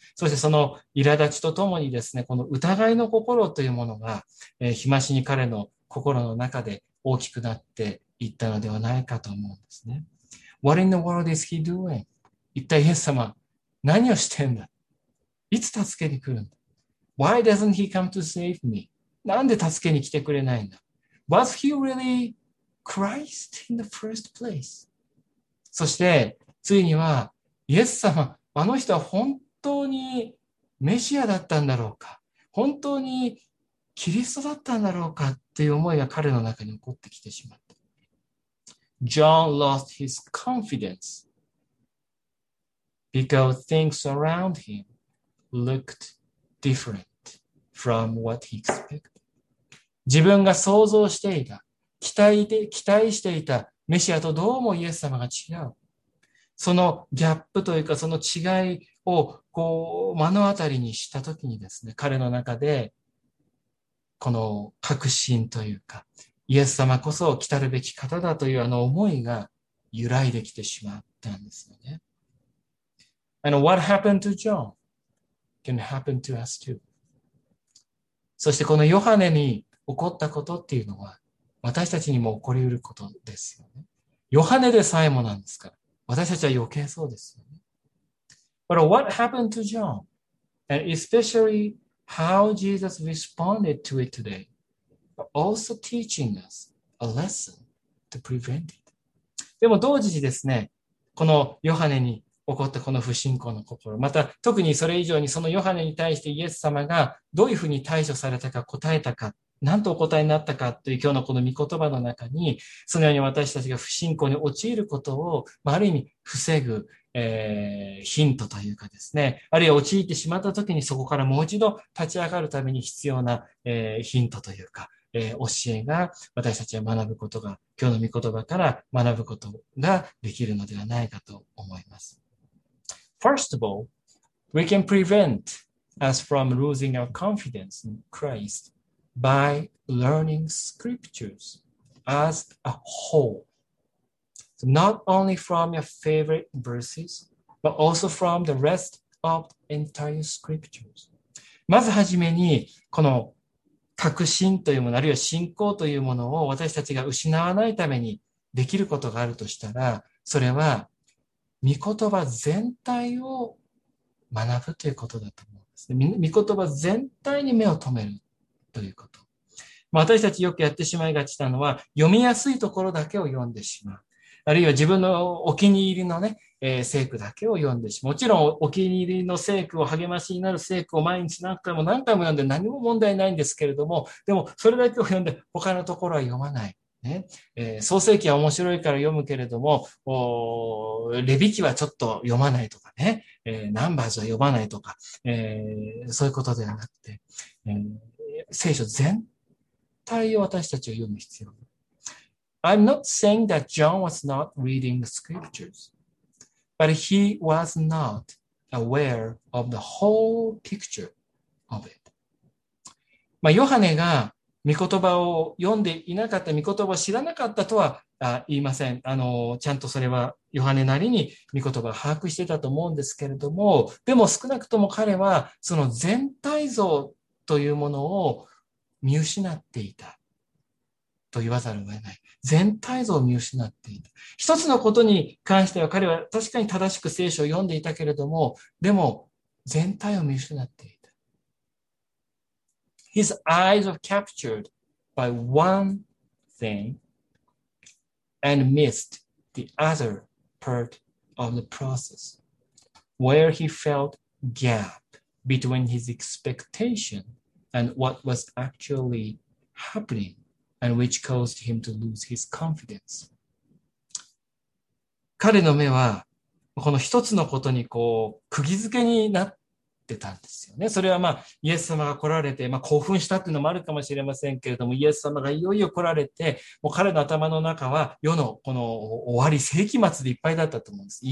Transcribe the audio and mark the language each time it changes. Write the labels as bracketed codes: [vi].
[ja] そしてその苛立ちとともにですね、この疑いの心というものが、日増しに彼の心の中で大きくなっていったのではないかと思うんですね。 [en] What in the world is he doing? [ja] 一体イエス様、何をしてんだ? いつ助けに来るんだ [en] ?Why doesn't he come to save me? [ja] なんで助けに来てくれないんだ? [en] Was he really Christ in the first place? [ja] そして、ついには、イエス様、あの人は本当にメシアだったんだろうか本当にキリストだったんだろうかという思いが彼の中に起こってきてしまった。 [en] John lost his confidence because things around him looked different from what he expected. [ja] 自分が想像していた、期待していたメシアとどうもイエス様が違う。そのギャップというかその違いをこう目の当たりにしたときにですね、彼の中でこの確信というか、イエス様こそ来たるべき方だというあの思いが揺らいできてしまったんですよね。 [en] And what happened to John can happen to us too. [ja] そしてこのヨハネに起こったことっていうのは、私たちにも起こりうることですよね。ヨハネでさえもなんですから、私たちは余計そうですよね。 [en] But what happened to John? And especially how Jesus responded to it today, but also teaching us a lesson to prevent it. [ja] でも同時にですね、このヨハネに起こったこの不信仰の心、また特にそれ以上にそのヨハネに対してイエス様がどういうふうに対処されたか答えたか、何とお答えになったかという今日のこの御言葉の中に、そのように私たちが不信仰に陥ることを、まあ、ある意味防ぐ、ヒントというかですね、あるいは陥ってしまった時にそこからもう一度立ち上がるために必要な、ヒントというか、教えが私たちは学ぶことが、今日の御言葉から学ぶことができるのではないかと思います。 [en] First of all, we can prevent us from losing our confidence in Christby learning scriptures as a whole. So not only from your favorite verses, but also from the rest of the entire scriptures. [ja] まずはじめに、この確信というもの、あるいは信仰というものを私たちが失わないためにできることがあるとしたら、それは、御言葉全体を学ぶということだと思うんですね。御言葉全体に目を留める。ということ。私たちよくやってしまいがちなのは、読みやすいところだけを読んでしまう。あるいは自分のお気に入りのね、聖句だけを読んでしまう。もちろんお気に入りの聖句を励ましになる聖句を毎日何回も何回も読んで何も問題ないんですけれども、でもそれだけを読んで他のところは読まない。ね、創世記は面白いから読むけれども、レビ記はちょっと読まないとかね、ナンバーズは読まないとか、そういうことではなくて、聖書全体を私たちは読む必要がある。 [en] I'm not saying that John was not reading the scriptures, but he was not aware of the whole picture of it. [ja] まあ、ヨハネが御言葉を読んでいなかった、御言葉を知らなかったとは言いません。ちゃんとそれはヨハネなりに御言葉を把握してたと思うんですけれども、でも少なくとも彼はその全体像というものを見失っていたと言わざるを得ない。全体像を見失っていた。一つのことに関しては彼は確かに正しく聖書を読んでいたけれども、でも全体を見失っていた。 [en] His eyes were captured by one thing and missed the other part of the process, where he felt gap between his expectationand what was actually happening, and which caused him to lose his confidence. [ja] 彼の目は、この一つのことにこう、釘付けになってたんですよね。それはまあ、イエス様が来られて、まあ、興奮したっていうのもあるかもしれませんけれども、イエス様がいよいよ来られて、もう彼の頭の中は、世のこの終わり、世紀末でいっぱいだったと思うんです。